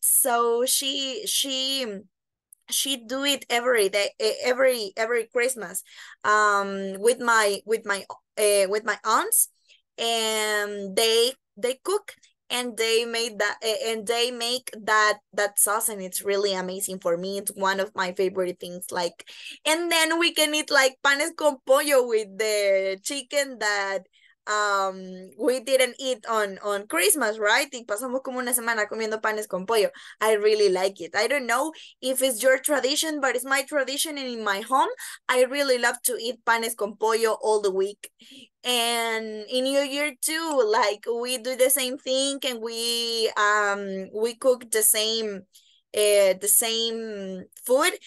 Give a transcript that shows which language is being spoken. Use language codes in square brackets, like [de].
[en] So she do it every day, every Christmas, with my aunts, and they cook and they made that and they make that sauce, and it's really amazing for me. It's one of my favorite things. Like, and then we can eat like panes con pollo with the chicken that we didn't eat on Christmas, right? [es] Y pasamos como una semana comiendo panes con pollo. [en] I really like it. I don't know if it's your tradition, but it's my tradition. And in my home, I really love to eat panes con pollo all the week. And in New Year too, like we do the same thing and we cook the same food.